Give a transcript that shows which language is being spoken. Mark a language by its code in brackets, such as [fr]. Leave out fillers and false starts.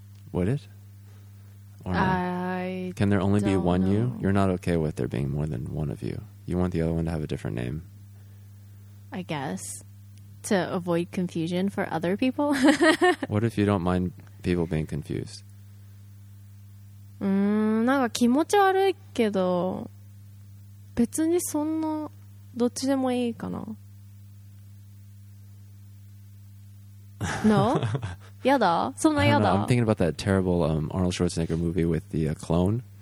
[en] would it? Or not? Can there only be one you? You're not okay with there being more than one of you. You want the other one to have a different name. I guess. To avoid confusion for other people? What if you don't mind people being confused? [ja] なんか気持ち悪いけど別にそんなどっちでもいいかな [en] No? [ja] やだそんなやだ [en] I'm thinking about that terrible Arnold Schwarzenegger movie with the clone